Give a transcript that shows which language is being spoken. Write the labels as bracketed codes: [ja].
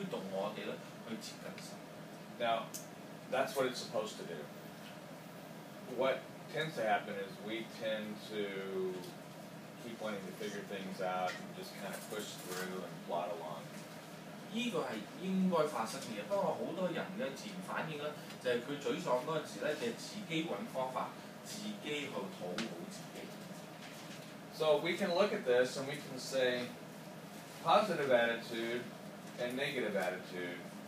[yue] 有時呢,我們沮喪的時候,有一個沮喪要推動我們去接近神。 [en] Now, that's what it's supposed to do. What tends to happen is we tend to keep wanting to figure things out and just kind of push through and plod along. [yue] 這個是應該發生的,不過很多人的自然反應呢,就是他沮喪的時候呢,就是自己找方法,自己去討好自己。 [en] So we can look at this and we can say positive attitude and negative attitude.